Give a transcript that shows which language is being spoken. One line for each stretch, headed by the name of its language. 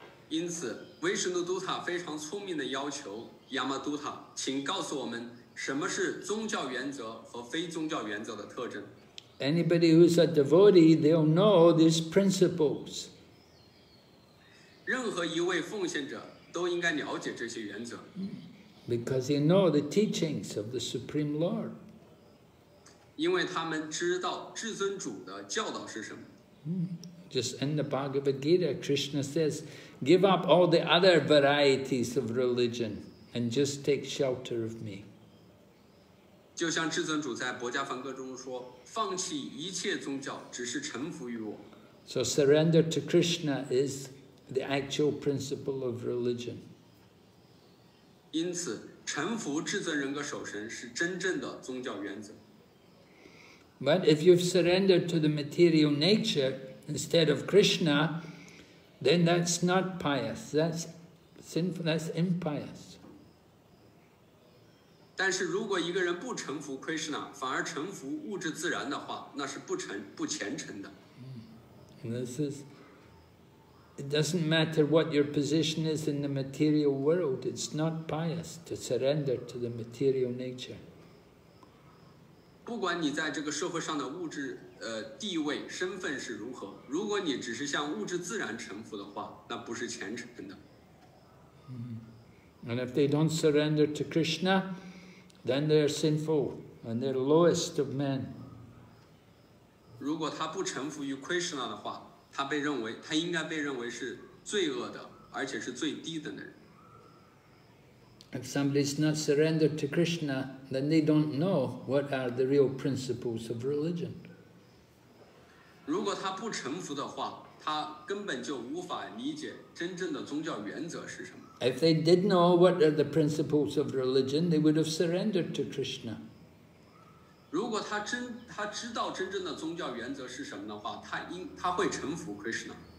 Chinese: 因此，维什诺都塔非常聪明地要求 Yamaduta, 请告诉我们什么是宗教原则和非宗教原则的特征。
English: Anybody who's a devotee, they'll know these principles.
Chinese: 任何一位奉献者都应该了解这些原则。
English: Because they know the teachings of the Supreme Lord.
Chinese: 因为他们知道至尊主的教导是什么。
English: Just in the Bhagavad Gita, Krishna says, give up all the other varieties of religion and just take shelter of me.
Chinese: 就像至尊主在博迦梵歌中说，放弃一切宗教，只是臣服于我。
English: So surrender to Krishna is the actual principle of religion.
Chinese: 因此，臣服至尊人格守神是真正的宗教原则。
English: But if you've surrendered to the material nature instead of Krishna, then that's not pious. That's sinful. That's impious.
Chinese: 但是如果一个人不臣服 Krishna, 反而臣服物质自然的话，那是不虔诚的。
English: This is, it doesn't matter what your position is in the material world, it's not pious to surrender to the material nature.
Chinese: 不管你在这个社会上的物质地位身份是如何，如果你只是向物质自然臣服的话，那不是虔诚的。
English: And if they don't surrender to Krishna,then they are sinful and they're lowest of men.
Chinese: 如果他不臣服于 Krishna 的话，他应该被认为是罪恶的，而且是最低的人。
English: If somebody's not surrendered to Krishna, then they don't know what are the real principles of religion.
Chinese: 如果他不臣服的话，他根本就无法理解真正的宗教原则是什么。
English: If they did know what are the principles of religion, they would have surrendered to Krishna.
Chinese: 如果他知道真正的宗教原则是什么的话，他会臣服 Krishna.